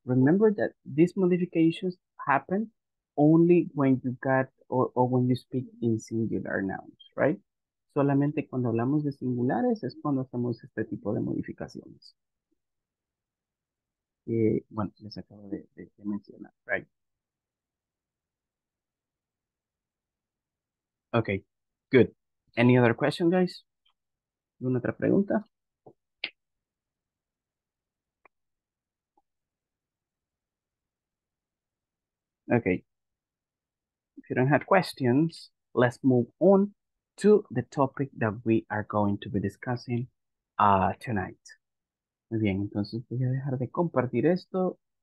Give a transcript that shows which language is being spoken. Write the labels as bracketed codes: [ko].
[en] Remember that these modifications happen only when you got or when you speak in singular nouns, right? [es] Solamente cuando hablamos de singulares es cuando hacemos este tipo de modificaciones. Bueno, les acabo de mencionar, right? [en] Okay, good. Any other question, guys? [es] ¿Alguna otra pregunta? [en] Okay. If you don't have questions, let's move on to the topic that we are going to be discussing tonight. [es] Muy bien, entonces voy a dejar de compartir esto.